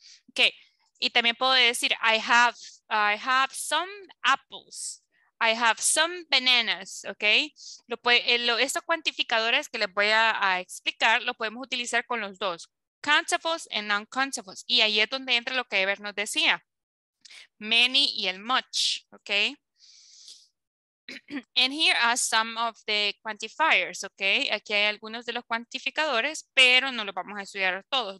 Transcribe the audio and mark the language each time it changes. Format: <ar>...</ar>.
<en>Okay.</en> <es>Y también puedo decir,</es> <en>I have some apples. I have some bananas.</en> <es>Okay. Estos cuantificadores que les voy a explicar, lo podemos utilizar con los dos.</es> <en>Countables and uncountables.</en> <es>Y ahí es donde entra lo que Ever nos decía. Many y el much. Okay.</es> <en>And here are some of the quantifiers, okay?</en> <es>Aquí hay algunos de los cuantificadores, pero no los vamos a estudiar todos.</es>